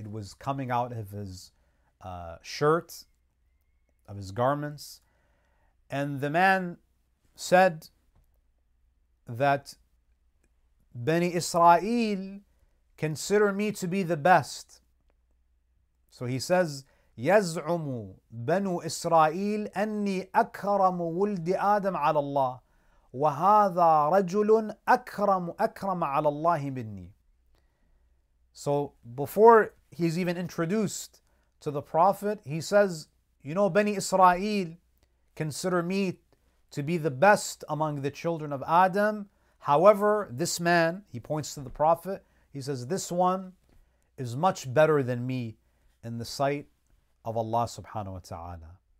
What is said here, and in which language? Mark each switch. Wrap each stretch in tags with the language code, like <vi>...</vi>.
<en>It was coming out of his shirt, of his garments. And the man said that Bani Israel consider me to be the best.</en> <ar>So he says, يَزْعُمُ بَنُو إِسْرَائِيلِ أَنِّي أَكْرَمُ وُلْدِ آدَمَ عَلَى اللَّهِ وَهَذَا رَجُلٌ أَكْرَمَ عَلَى اللَّهِ مِنِّي.</ar> <en>So before he's even introduced to the Prophet, he says, you know, Bani Israel consider me to be the best among the children of Adam. However, this man, he points to the Prophet, he says, this one is much better than me in the sight of Allah subhanahu wa ta'ala.</en>